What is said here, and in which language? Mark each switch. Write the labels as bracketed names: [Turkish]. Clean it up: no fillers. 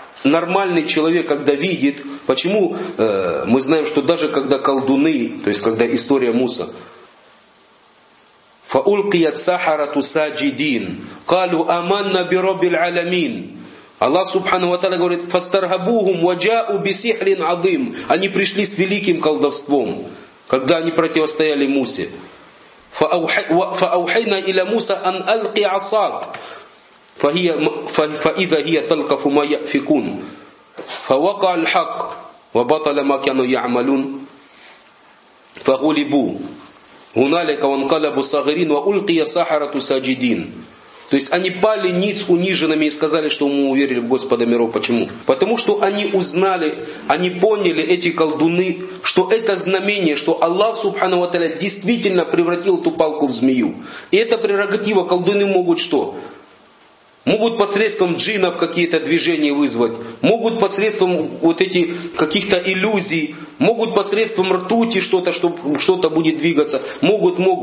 [Russian] Нормальный человек, когда видит, почему мы знаем, что даже когда колдуны, то есть когда история Муса, [Arabic] фаулкият сахарату саджидин, калу аманна бирабиль аламин. [Russian] Аллах Субхану ва Тааля говорит: [Arabic] фастархабухум ваджау бисихрин азим. [Russian] Они пришли с великим колдовством, когда они противостояли Мусе. [Arabic] Фаухайна иля Муса ан алки асак. فإذا هي تلقف ما يأفكون فوقع الحق وبطل ما كانوا يعملون فغلبوا هنالك وانقلبوا صاغرين وألقي السحرة ساجدين. [Russian] То есть они пали ниц униженными и сказали, что мы уверили в Господа миров. Почему? Потому что они узнали, они поняли, эти колдуны, что это знамение, что Аллах Субхану ва Тааля действительно превратил ту палку в змею. И это прерогатива. Колдуны могут что? Могут посредством джиннов какие-то движения вызвать, могут посредством вот этих каких-то иллюзий, могут посредством ртути что-то, что-то будет двигаться, могут.